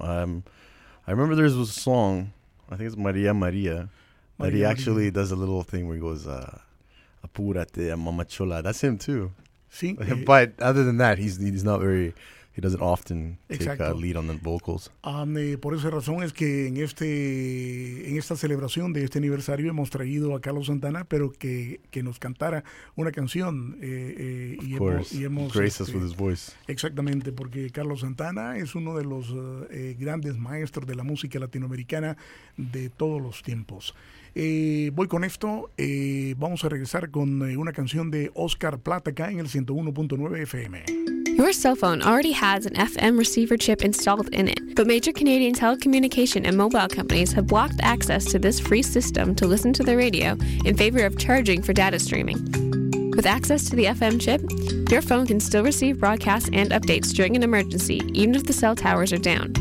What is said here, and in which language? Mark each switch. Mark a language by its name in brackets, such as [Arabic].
[English] I remember there's a song, I think it's Maria Maria, that he actually Maria. Does a little thing where he goes, [Spanish] Apúrate, Mamachola. [English] That's him too. [Spanish] Sí. [English] But other than that, he's not very... He doesn't often take a lead on the vocals. [Spanish] Por esa razón es que en esta celebración de este aniversario hemos traído a Carlos Santana, pero que nos cantara una canción. [English] Of course, grace us with his voice. [Spanish] Exactamente, porque Carlos Santana es uno de los grandes maestros de la música latinoamericana de todos los tiempos. Voy con esto, vamos a regresar con una canción de Oscar Plata acá en el 101.9 FM. [English] Your cell phone already has an FM receiver chip installed in it, but major Canadian telecommunication and mobile companies have blocked access to this free system to listen to the radio in favor of charging for data streaming. With access to the FM chip, your phone can still receive broadcasts and updates during an emergency, even if the cell towers are down.